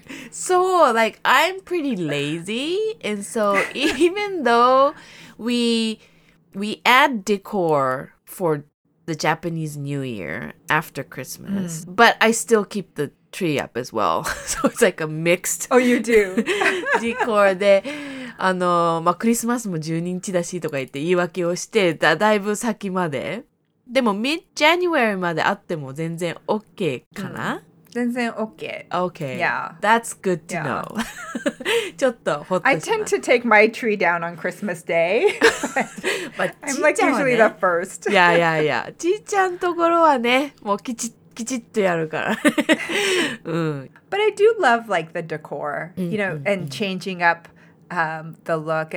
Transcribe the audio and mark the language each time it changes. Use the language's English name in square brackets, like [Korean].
[English] So, like, I'm pretty lazy. And so even though we add decor for the Japanese New Year after Christmas. Mm. But I still keep the tree up as well. So it's like a mixed... Oh, you do. [Japanese] ...decor で、あの、まあ、クリスマスも12日だしとか言って言い訳をして、だいぶ先まで。でも、mid-January まであっても全然 OK かな？全然 OK. [English] OK. Yeah. That's good to know. [Japanese] ちょっとほっとします。 [English] I tend to take my tree down on Christmas Day. But I'm like usually the first. Yeah, yeah, yeah. [Japanese] ちーちゃんところはね、もうきちっとやるから。 [English] But I do love like the decor, you know, and changing up the look.